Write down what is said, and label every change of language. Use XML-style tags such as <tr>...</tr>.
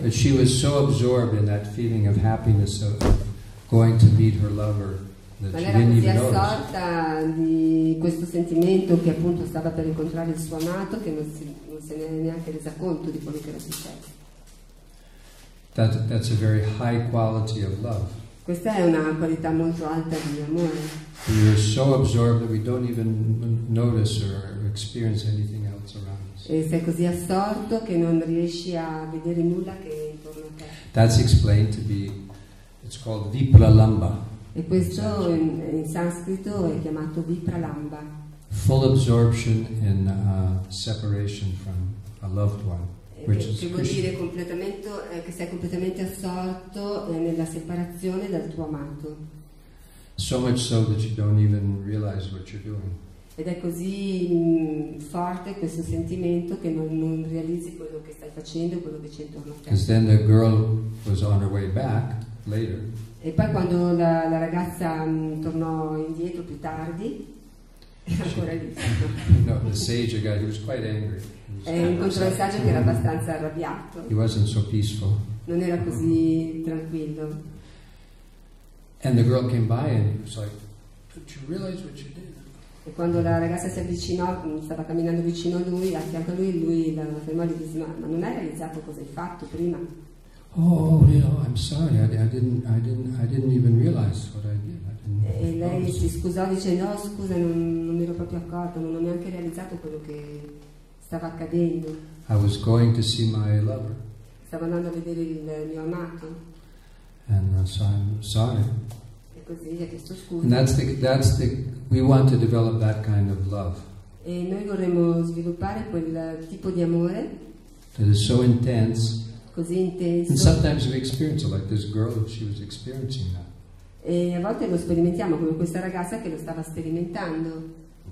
<en>But she was so absorbed in that feeling of happiness of going to meet her lover that she didn't even notice.</en> <it>Ma era così assorta di questo sentimento che appunto stava per incontrare il suo amato che non se ne è neanche resa conto di quello che era successo.</it> <en>That's a very high quality of love.</en> <it>Questa è una qualità molto alta di amore.</it> <en>We are so absorbed that we don't even notice or experience anything else around us.</en> <it>E sei così assorto che non riesci a vedere nulla che è intorno a te.</it> <en>That's explained to be, it's called vipralamba.</en> <it>E questo in sanscrito è chiamato vipralamba.</it> <en>Full absorption in separation from a loved one.</en> <it>Che vuol dire completamente che sei completamente assorto nella separazione dal tuo amato.</it> <en>So much so that you don't even realize what you're doing.</en> <it>Ed è così forte questo sentimento che non realizzi quello che stai facendo, quello che c'è intorno a te.</it> <en>Because then the girl was on her way back later.</en> <it>E poi quando la ragazza tornò indietro più tardi, ancora lì.</it> <en>No, the sage guy, he was quite angry.</en> <it>E incontrò il saggio che era abbastanza arrabbiato.</it> <en>He wasn't so peaceful.</en> <it>Non era così tranquillo.</it> <en>And the girl came by and was like, "Don't you realize what you did?"</en> <it>E quando la ragazza si avvicinò, stava camminando vicino a lui, a fianco a lui, lui la fermò e gli disse, "Ma non hai realizzato cosa hai fatto prima?"</it> <en>I'm sorry, I didn't even realize what I did.</en> <it>E lei si scusò dicendo, "No, scusa, non mi ero proprio accorta, non ho neanche realizzato quello che stava accadendo."</it> <en>I was going to see my lover.</en> <it>Stavo andando a vedere il mio amato.</it> <en>And so I'm sorry.</en> <it>E così gli ha chiesto scusa.</it> <en>And that's the we want to develop that kind of love.</en> <it>E noi vorremmo sviluppare quel tipo di amore.</it> <en>That is so intense.</en> <it>Così intenso.</it> <en>And sometimes we experience it like this girl, she was experiencing that.</en> <it>E a volte lo sperimentiamo come questa ragazza che lo stava sperimentando.</it>